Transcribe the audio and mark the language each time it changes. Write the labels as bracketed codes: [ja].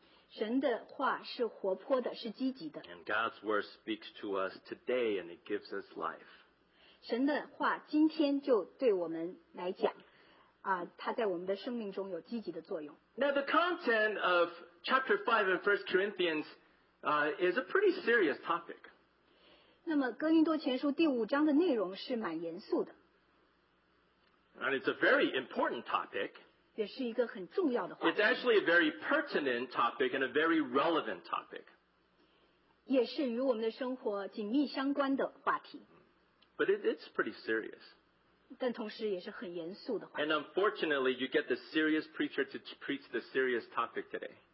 [zh] 神的话是活泼的，是积极的。 [en] And God's word speaks to us today and it gives us life. [zh] 神的话今天就对我们来讲它在我们的生命中有积极的作用。 [en] Now the content of chapter 5 in 1 Corinthians is a pretty serious topic. [zh] 那么哥林多前书第五章的内容是蛮严肃的。 [en] And it's a very important topic. [zh] 也是一个很重要的话题。 [en] It's actually a very pertinent topic and a very relevant topic. [zh] 也是与我们的生活紧密相关的话题。 [en] But it's pretty serious. [zh] 但同时也是很严肃的话题。 [en] And unfortunately, you get the serious preacher to preach the serious topic today.